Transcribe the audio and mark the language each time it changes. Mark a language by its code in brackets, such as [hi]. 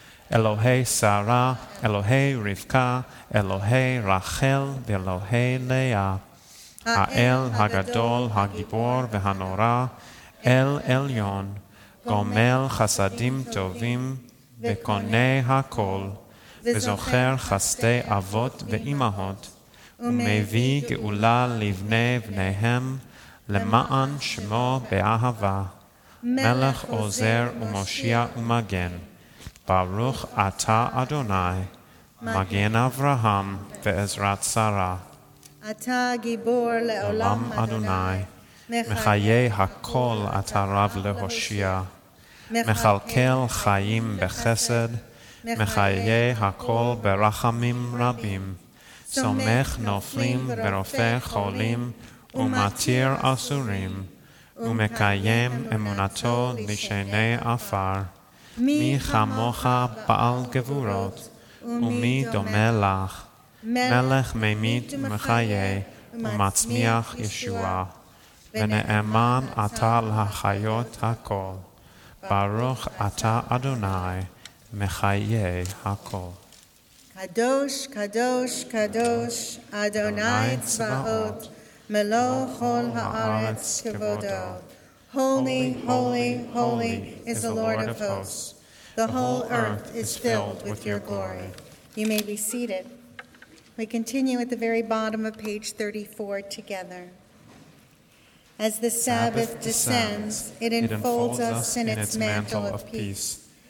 [he] Elohei Sarah, Elohei Rivka, Elohei Rachel, Elohei Leah, Ha'el Hagadol, Hagibor, Ve'hanora, El Elyon, Gomel Chasadim Tovim, Ve'kone Hakol, Ve'zocher Chaste Avot Ve'imahot, ומביא גאולה לבני בניהם, למען שמו באהבה, מלך עוזר ומושיע ומגן. ברוך אתה אדוני, מגן אברהם ועזרת שרה. אתה גיבור לעולם אדוני, מחיי הכל אתה רב להושיע, מכלכל חיים בחסד, מחיי הכל ברחמים רבים. סומך נופלים ורופא חולים ומתיר אסורים ומקיים אמונתו לשני עפר. מי כמוך בעל גבורות ומי דומה לך, מלך ממית ומחיה ומצמיח ישוע, ונאמן אתה להחיות הכל. ברוך אתה אדוני מחיה הכל. קדוש, קדוש, קדוש, אדוני צבאות, מלוא כל הארץ כבודו. [en] Holy, holy, holy is the Lord of hosts. The whole earth is filled with your glory. You may be seated. We continue at the very bottom of page 34 together. As the Sabbath descends, it enfolds us in its mantle of peace.